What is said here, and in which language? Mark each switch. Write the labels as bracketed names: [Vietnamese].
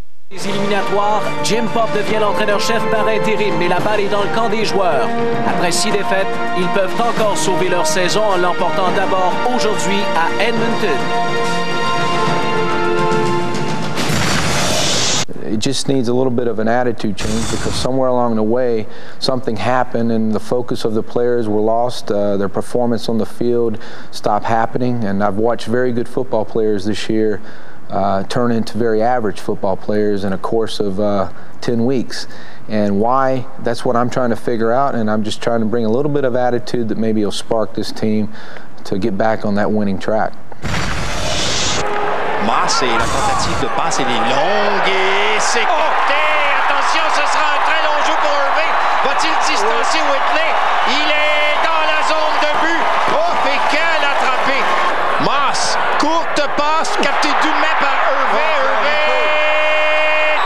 [French] Les éliminatoires, Jim Popp devient l'entraîneur-chef par intérim, mais la balle est dans le camp des joueurs. Après 6 défaites, ils peuvent encore sauver leur saison en l'emportant d'abord aujourd'hui à Edmonton. [English] it just needs a little bit of an attitude change because somewhere along the way something happened and the focus of the players were lost, their performance on the field stopped happening, and I've watched very good football players this year turn into very average football players in a course of 10 weeks. And why, that's what I'm trying to figure out, and I'm just trying to bring a little bit of attitude that maybe will spark this team to get back on that winning track. [French] Massé, la tentative de passe, elle est longue et c'est coupé. Attention, ce sera un très long jeu pour Irving. Va-t-il distancer Whitley? Il est dans la zone de but. Oh, et quel attrapé! Mass, courte passe, captée d'une main par Irving.